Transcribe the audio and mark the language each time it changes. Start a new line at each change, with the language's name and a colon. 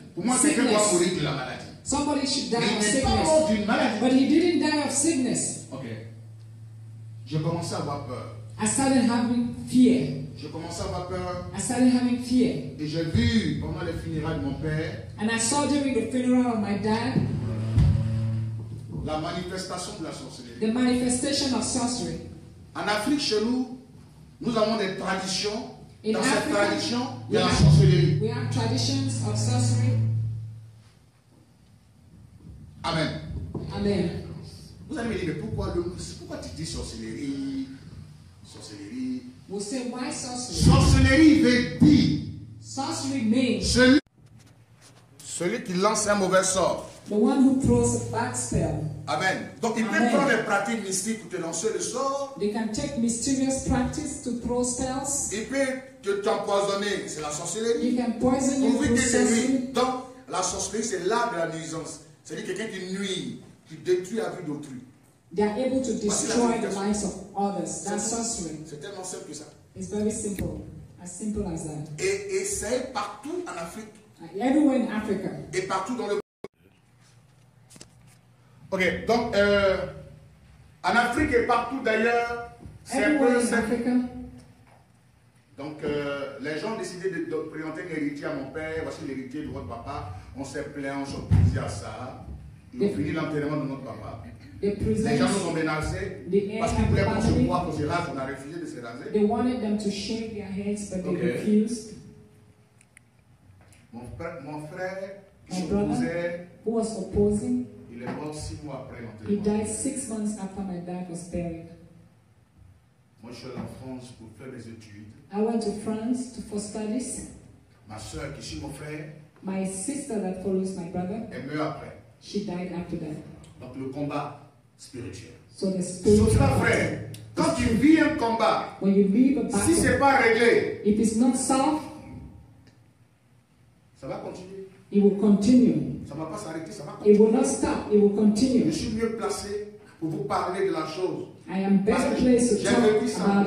French: Pour moi, quelqu'un doit mourir de la maladie.
English: Somebody should die
French: mais
English: of sickness. But he didn't die of sickness.
French: Okay. Je commençais à avoir peur.
English: I started having fear.
French: Je commençais à avoir peur.
English: I started having fear.
French: Et j'ai vu pendant les funérailles de mon père.
English: And I saw during the funeral of my dad.
French: La manifestation de la sorcellerie.
English: The manifestation of sorcery.
French: En Afrique, chez nous. Nous avons des traditions. In dans cette tradition, il y a la sorcellerie.
English: We have traditions of sorcery. Amen. Amen.
French: Vous allez me dire, mais pourquoi tu dis sorcellerie? Sorcellerie.
English: We'll say, why sorcery?
French: Sorcellerie veut dire.
English: Sorcery means.
French: Celui qui lance un mauvais sort.
English: The one who throws a bad spell. Amen.
French: Donc il peut prendre des pratiques mystiques pour te lancer le sort.
English: They can take mysterious practices to throw spells.
French: Il peut te t'empoisonner, c'est la sorcellerie.
English: He can poison you through sorcery.
French: Donc la sorcellerie c'est l'art de la nuisance. C'est-à-dire quelqu'un qui nuit, qui détruit la vie d'autrui.
English: They are able to destroy the lives of others. That's sorcery.
French: C'est tellement simple que ça.
English: It's very simple, as simple as that.
French: Et c'est partout en Afrique.
English: Everywhere in Africa.
French: Et partout dans le ok, donc en Afrique et partout d'ailleurs, c'est
English: everywhere
French: un peu
English: in Africa.
French: Donc les gens ont décidé de présenter un héritier à mon père, voici l'héritier de votre papa. On s'est plaint, on s'est opposé à ça. Ils ont fini l'enterrement de notre papa. Les gens nous ont menacés parce qu'ils voulaient qu'on se voie pour se raser, on a refusé de se raser.
English: They wanted them to shave their heads, but they refused.
French: Mon frère s'opposait.
English: Who was opposing?
French: Il est mort 6 mois après l'enterrement.
English: He died 6 months after my dad was buried.
French: Moi, je suis allé en France pour faire mes études.
English: I went to France for studies.
French: Ma soeur qui suit mon frère.
English: My sister that follows my brother.
French: Est mort après.
English: She died after that.
French: Donc le combat spirituel.
English: So the spiritual.
French: Sauf ça, frère. Quand tu vis un combat.
English: When you leave a battle.
French: Si c'est pas réglé.
English: If it's not solved.
French: Ça va continuer.
English: It will continue.
French: Ça va pas s'arrêter, ça va
English: continuer. It will not stop. It will continue.
French: Je suis mieux placé pour vous parler de la chose.
English: I am better placed to talk about ça.